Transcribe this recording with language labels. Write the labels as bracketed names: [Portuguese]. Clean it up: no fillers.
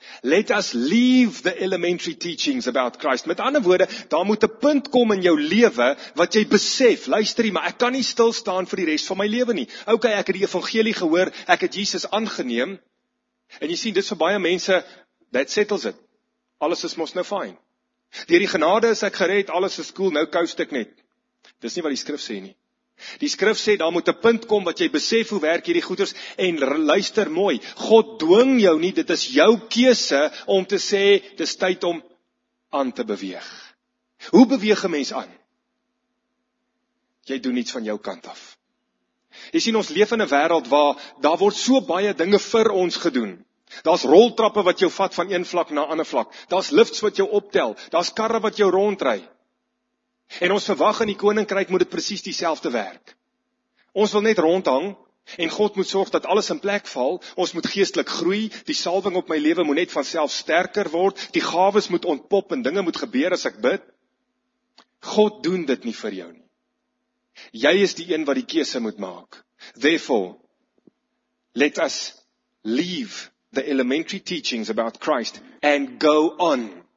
[English] Let us leave the elementary teachings about Christ. [Afrikaans] Met ander woorde, daar moet 'n punt kom in jou lewe, wat jy besef, luister hier, maar ek kan nie stilstaan vir die rest van my lewe nie. Ok, ek het die evangelie gehoor, ek het Jesus aangeneem, en jy sien, dit is vir baie mense, [English] that settles it. [Afrikaans] Alles is mos nou fine. Deur die genade is ek gered, alles is cool, nou coast ek net. Dis nie wat die skrif sê nie. Die skrif sê, daar moet 'n punt kom wat jy besef hoe werk hierdie goeders, en luister mooi, God dwing jou nie, dit is jou keuse om te sê, dis tyd om aan te beweeg. Hoe beweeg 'n mens aan? Jy doen iets van jou kant af. Jy sien, ons leef in 'n wêreld waar daar word so baie dinge vir ons gedoen. Daar's roltrappe wat jou vat van een vlak na ander vlak. Daar's lifts wat jou optel. Daar's karre wat jou rondry. En ons verwag in die koninkryk moet dit presies dieselfde werk. Ons wil net rondhang en God moet sorg dat alles in plek val. Ons moet geestelik groei. Die salwing op my lewe moet net van self sterker word. Die gawes moet ontpop en dinge moet gebeur as ek bid. God doen dit nie vir jou nie. Jy is die een wat die keuse moet maak. [English] Therefore, let us leave the elementary teachings about Christ and go on.